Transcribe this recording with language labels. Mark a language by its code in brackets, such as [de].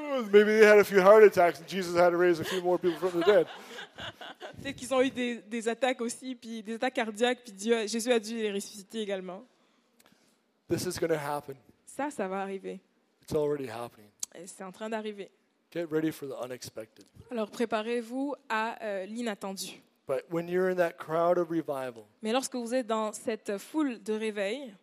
[en] Maybe they had a few heart attacks and Jesus had to raise a few more people from the dead. [fr] Peut-être qu'ils ont eu des attaques aussi, puis des attaques cardiaques, puis Dieu, Jésus a dû les ressusciter également. [en] This is going to happen. [fr] Ça va arriver. [en] It's already happening. [fr] Et c'est en train d'arriver. [en] Get ready for the unexpected. [fr] Alors préparez-vous à l'inattendu. [en] But when you're in that crowd of revival, [fr] mais lorsque vous êtes dans cette foule de réveil,